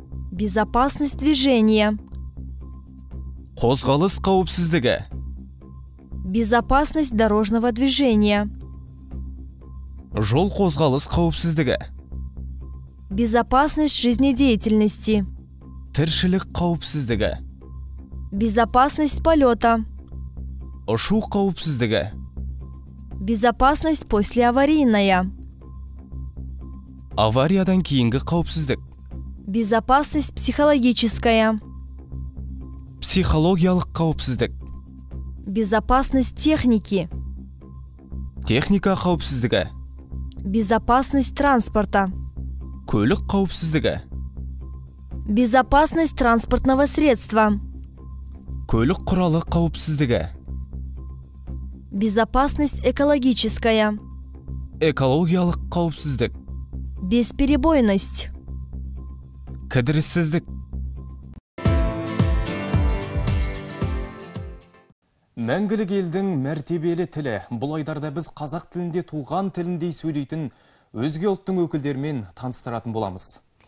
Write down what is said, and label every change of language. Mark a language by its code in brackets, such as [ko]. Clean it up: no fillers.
[ru] Безопасность движения. [kk] Қозғалыс қауіпсіздігі. [ru] Безопасность дорожного движения. [kk] Жол қозғалыс қауіпсіздігі. [ru] Безопасность жизнедеятельности. [kk] Тіршілік қауіпсіздігі. [ru] Безопасность полета. [kk] Ұшу қауіпсіздігі. [ru] Безопасность послеаварийная. [kk] Авариядан кейінгі қауіпсіздік. [ru] Безопасность психологическая. [kk] Психологиялық қауіпсіздік. [ru] Безопасность техники. [kk] Техника қауіпсіздігі. [ru] Безопасность транспорта. [kk] Көлік қауіпсіздігі. [ru] Безопасность транспортного средства. [kk] Көлік құралы қауіпсіздігі. [ru] Безопасность экологическая. [kk] Экологиялық қауіпсіздік. [ru] Бесперебойность. [kk] Кідіріссіздік. Мәңгілік елдің мәртебелі тілі. Бұл айдарда біз қазақ тілінде туған тіліндей сөйлейтін өзге ұлттың өкілдерімен таныстыратын боламыз.